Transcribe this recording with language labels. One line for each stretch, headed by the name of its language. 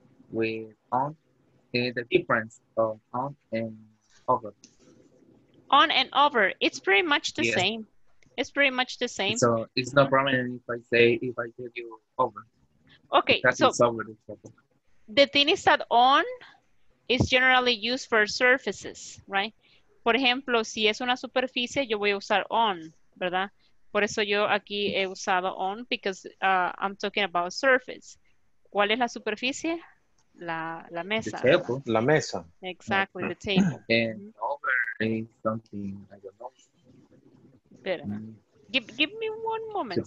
English: With on, the difference of on and over. On and over, it's pretty much the same. It's pretty much the same. So it's no problem if I tell you over. Okay, the thing is that on is generally used for surfaces, right?
Spanish: Por ejemplo, si es una superficie, yo voy a usar on, ¿verdad? Por eso yo aquí he usado on,
English: because I'm talking about surface.
Spanish: ¿Cuál es la superficie? La mesa.
English: The table,
Spanish: la mesa.
English: Exactly, the table. And over is something, I don't know. Give me one moment.